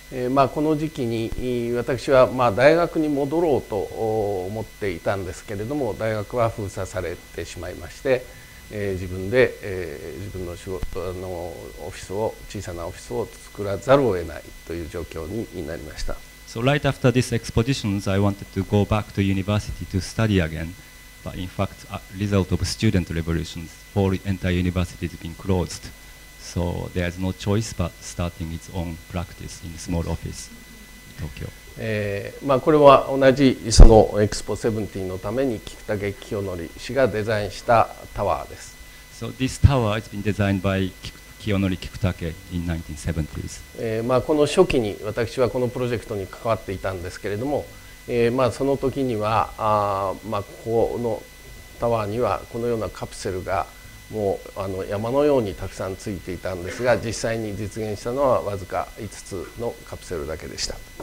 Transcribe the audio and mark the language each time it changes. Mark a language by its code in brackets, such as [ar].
[ja] まあ、この時期に私はまあ大学に戻ろうと思っていたんですけれども、大学は封鎖されてしまいまして、自分で自分の仕事のオフィスを、小さなオフィスを作らざるを得ないという状況になりました。 [en] So right after this exposition I wanted to go back to university to study again, but in fact a result of student revolutions for entire university has been closedSo there is no choice but starting its own practice in small office, Tokyo. [ja] まあこれは同じそのExpo 70のために菊竹清則氏がデザインしたタワーです。 [en] So this tower has been designed by 清則菊竹 in 1970s. [ja] まあこの初期に私はこのプロジェクトに関わっていたんですけれども、まあその時にはまあこのタワーにはこのようなカプセルがもう山のようにたくさんついていたんですが、実際に実現したのはわずか5つのカプセルだけでした。